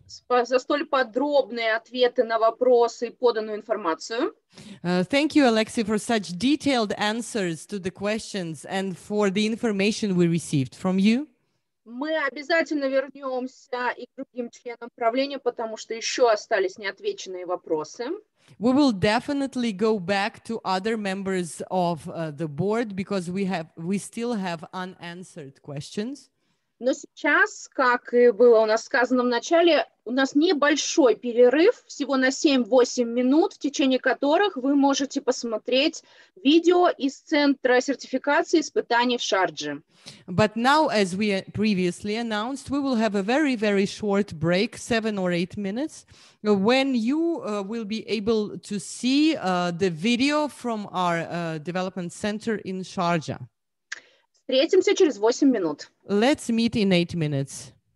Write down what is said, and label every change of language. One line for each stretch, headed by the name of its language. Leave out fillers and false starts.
Russian: За столь подробные ответы на вопросы и поданную информацию.
English: Thank you, Alexey, for such detailed answers to the questions and for the information we received from you.
Russian: Мы обязательно вернемся и к другим членам правления, потому что еще остались неотвеченные вопросы.
English: We will definitely go back to other members of the board because we still have unanswered questions.
Russian: Но сейчас, как и было у нас сказано в начале, у нас небольшой перерыв, всего на 7-8 минут, в течение которых вы можете посмотреть видео из центра сертификации испытаний в Шардже.
English: But now, as we previously announced, we will have a very, very short break, 7 or 8 minutes, when you will be able to see the video from our development center in Sharjah.
Russian: Встретимся через 8 минут.
English: Let's meet in 8 minutes.